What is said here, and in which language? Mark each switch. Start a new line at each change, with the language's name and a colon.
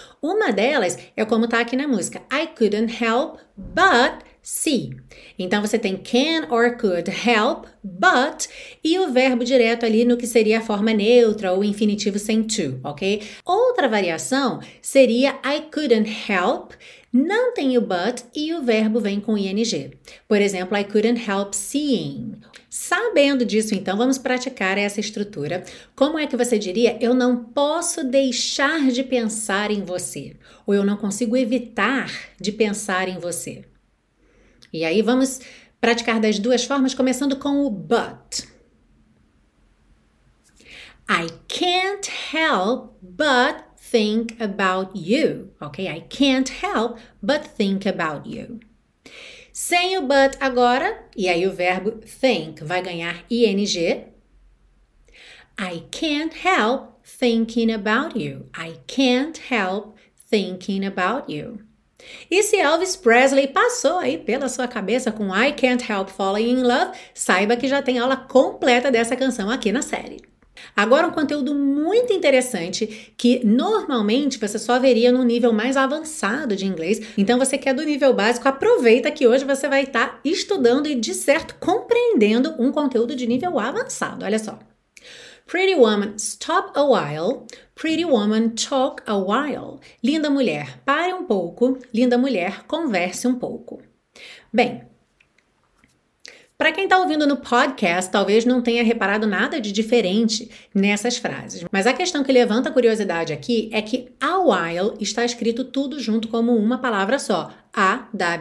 Portuguese: Uma delas é como está aqui na música,
English: I couldn't help but see.
Portuguese: Então você tem
English: can or could help, but,
Portuguese: e o verbo direto ali no que seria a forma neutra ou infinitivo sem to, ok? Outra variação seria
English: I couldn't help
Portuguese: Não tem o but e o verbo vem com ing. Por exemplo,
English: I couldn't help seeing.
Portuguese: Sabendo disso, então, vamos praticar essa estrutura. Como é que você diria eu não posso deixar de pensar em você? Ou eu não consigo evitar de pensar em você? E aí vamos praticar das duas formas, começando com o but.
English: I can't help but think about you, ok? I can't help but think about you.
Portuguese: Sem o but agora, e aí o verbo think vai ganhar ing.
English: I can't help thinking about you. I can't help thinking about you.
Portuguese: E se Elvis Presley passou aí pela sua cabeça com
English: I can't help falling in love,
Portuguese: saiba que já tem aula completa dessa canção aqui na série. Agora, um conteúdo muito interessante que normalmente você só veria no nível mais avançado de inglês. Então, você que é do nível básico, aproveita que hoje você vai estar estudando e, de certo, compreendendo um conteúdo de nível avançado. Olha só.
English: Pretty woman, stop a while. Pretty woman, talk a while.
Portuguese: Linda mulher, pare um pouco. Linda mulher, converse um pouco. Bem. Para quem está ouvindo no podcast, talvez não tenha reparado nada de diferente nessas frases. Mas a questão que levanta a curiosidade aqui é que a while está escrito tudo junto como uma palavra só: A-W-H-I-L-E.